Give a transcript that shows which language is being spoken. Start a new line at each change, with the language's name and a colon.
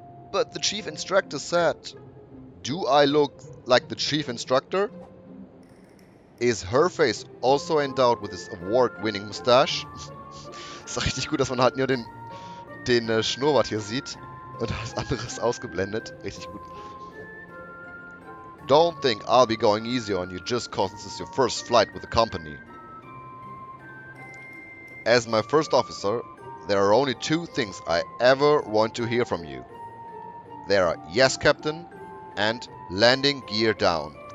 English: But the chief instructor said, do I look like the chief instructor? Is her face also endowed with this award-winning mustache?
German: Ist doch richtig gut, dass man halt nur den Schnurrbart hier sieht. Und alles andere ist ausgeblendet. Richtig gut.
English: Don't think I'll be going easy on you just cause this is your first flight with the company. As my first officer, there are only two things I ever want to hear from you. There are yes, captain, and landing gear down.